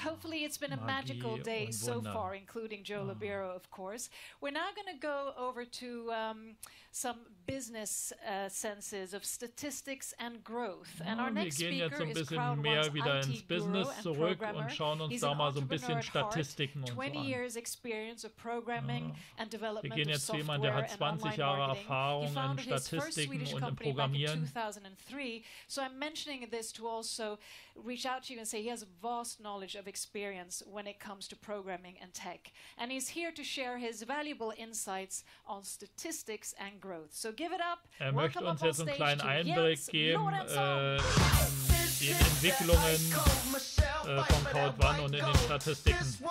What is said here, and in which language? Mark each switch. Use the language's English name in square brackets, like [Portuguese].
[English] Hopefully it's been a magical day so far, including Joe Lapiro, of course. We're now going to go over to some business senses of statistics and growth. And our next speaker is CrowdOne's [German] business zurück und schauen uns da mal so ein bisschen Statistiken und so an. [English] 20 years experience of programming and development. [German] Wir gehen jetzt jemand, der hat 20 Jahre Erfahrung in Statistiken und im Programmieren. [English] So I'm mentioning this to also reach out to you and say he has a vast knowledge of experience when it comes to programming and tech, and he's here to share his valuable insights on statistics and growth. So give it up. [German] Er möchte uns jetzt einen kleinen Einblick geben in Entwicklungen von CrowdOne und in den Statistiken.